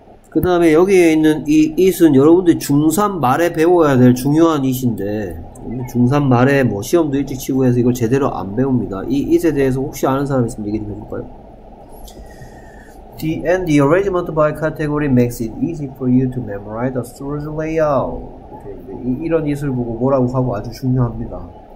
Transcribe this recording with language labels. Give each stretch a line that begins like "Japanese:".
Korean: 그 다음에 여기에 있는 이 it은 여러분들이 중3 말에 배워야 될 중요한 it인데 중3 말에 뭐 시험도 일찍 치고 해서 이걸 제대로 안 배웁니다. 이 it에 대해서 혹시 아는 사람 있으면 얘기 좀 해볼까요?
English: The and the arrangement by category makes it easy for you to memorize the store's layout.
Korean: 이런 it을 보고 뭐라고 하고 아주 중요합니다.